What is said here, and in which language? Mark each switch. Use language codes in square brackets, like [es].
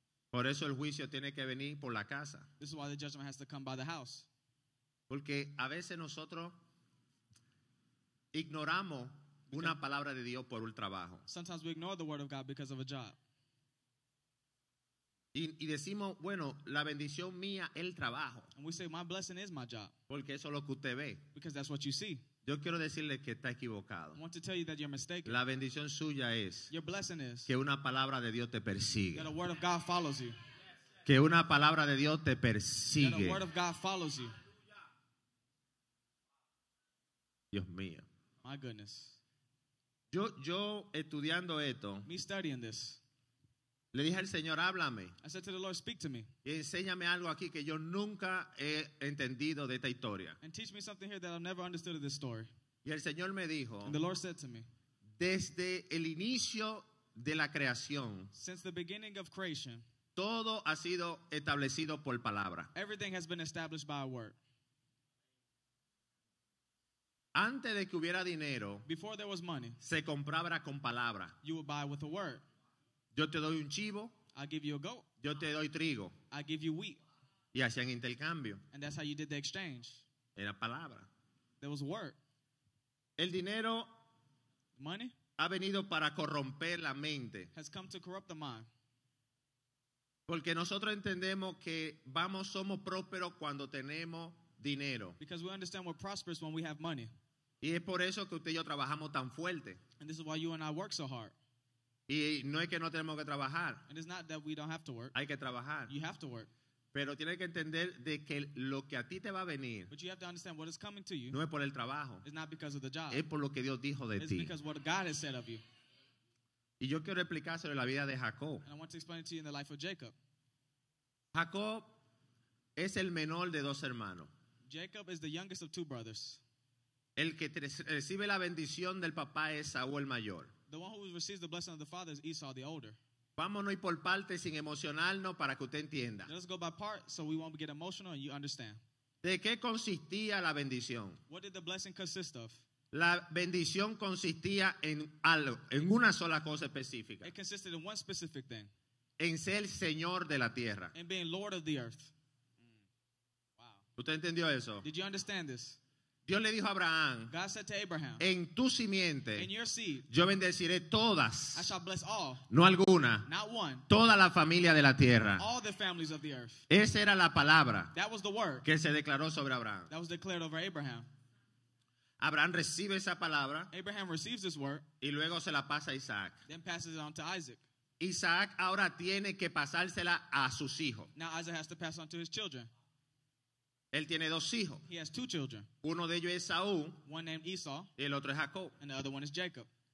[es] Por eso el juicio tiene que venir por la casa. [en] This is why the judgment has to come by the house. [es] Porque a veces nosotros ignoramos una palabra de Dios por un trabajo. [en] Sometimes we ignore the word of God because of a job. [es] Y decimos, bueno, la bendición mía es el trabajo. [en] And we say, my blessing is my job. [es] Porque eso es lo que usted ve. [en] Because that's what you see. [es] Yo quiero decirle que está equivocado. [en] I want to tell you that you're mistaken. [es] La bendición suya es, [en] your blessing is, [es] que una palabra de Dios te persigue. [en] That a word of God follows you. [es] Que una palabra de Dios te persigue. [en] That a word of God follows you. [es] Dios mío. [en] My goodness. [es] Yo estudiando esto, [en] me studying this, [es] le dije al Señor, háblame. [en] I said to the Lord, speak to me. [es] Y enséñame algo aquí que yo nunca he entendido de esta historia. [en] And teach me something here that I've never understood of this story. [es] Y el Señor me dijo, [en] and the Lord said to me, [es] desde el inicio de la creación, [en] since the beginning of creation, [es] todo ha sido establecido por palabra. [en] Everything has been established by a word. [es] Antes de que hubiera dinero, [en] before there was money, [es] se compraba con palabra. [en] You would buy with a word. [es] Yo te doy un chivo. [en] I give you a goat. [es] Yo te doy trigo. [en] I give you wheat. [es] Y hacían intercambio. [en] And that's how you did the exchange. [es] Era palabra. [en] There was word. [es] El dinero, [en] money, [es] ha venido para corromper la mente. [en] Has come to corrupt the mind. [es] Porque nosotros entendemos que vamos, somos prósperos cuando tenemos dinero. [en] Because we understand we're prosperous when we have money. [es] Y es por eso que usted y yo trabajamos tan fuerte. [en] And this is why you and I work so hard. [es] Y no es que no tenemos que trabajar. [en] And it's not that we don't have to work. [es] Hay que trabajar. [en] You have to work. [es] Pero tiene que entender de que lo que a ti te va a venir, [en] but you have to understand what is coming to you, [es] no es por el trabajo. [en] It's not because of the job. [es] Es por lo que Dios dijo de [en] ti. It's because what God has said of you. [es] Y yo quiero explicárselo en la vida de Jacob. [en] And I want to explain it to you in the life of Jacob. [es] Jacob es el menor de dos hermanos. [en] Jacob is the youngest of two brothers. [es] El que recibe la bendición del papá es Esaú el mayor. [en] The one who receives the blessing of the father is Esau the older. [es] Vámonos y por partes sin emocionarnos para que usted entienda. [en] Let's go by part so we won't get emotional and you understand. [es] ¿De qué consistía la bendición? [en] What did the blessing consist of? [es] La bendición consistía en algo, en una sola cosa específica. [en] It consisted in one specific thing. [es] En ser señor de la tierra. [en] In being lord of the earth. [es] ¿Usted entendió eso? [en] Did you understand this? [es] Dios le dijo a Abraham, [en] God said to Abraham, [es] en tu simiente, [en] in your seed, [es] yo bendeciré todas, [en] I shall bless all, [es] no alguna, [en] not one, [es] toda la familia de la tierra. [en] All the families of the earth. [es] Esa era la palabra, [en] that was the word, [es] que se declaró sobre Abraham. [en] That was declared over Abraham. [es] Abraham recibe esa palabra, [en] Abraham receives this word, [es] y luego se la pasa a Isaac. [en] Then passes it on to Isaac. [es] Isaac ahora tiene que pasársela a sus hijos. [en] Now Isaac has to pass on to his children. [es] Él tiene dos hijos. [en] He has two children. [es] Uno de ellos es Esaú. [en] One named Esau. [es] Y el otro es Jacob. [en] And the other one is Jacob.